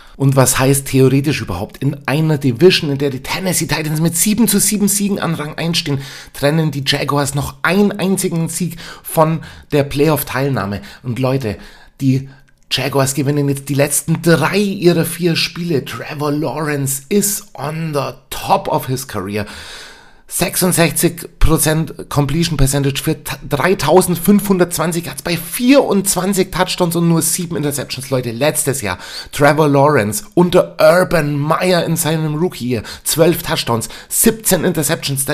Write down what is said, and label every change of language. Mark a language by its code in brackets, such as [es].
[de] Und was heißt theoretisch überhaupt? In einer Division, in der die Tennessee Titans mit 7-7 Siegen an Rang 1 stehen, trennen die Jaguars noch einen einzigen Sieg von der Playoff-Teilnahme. Und Leute, die Jaguars gewinnen jetzt die letzten 3 ihrer 4 Spiele. [en] Trevor Lawrence is on the top of his career. [de] 66% Completion Percentage für 3520 Yards bei 24 Touchdowns und nur 7 Interceptions. Leute, letztes Jahr Trevor Lawrence unter Urban Meyer in seinem Rookie-Year 12 Touchdowns, 17 Interceptions.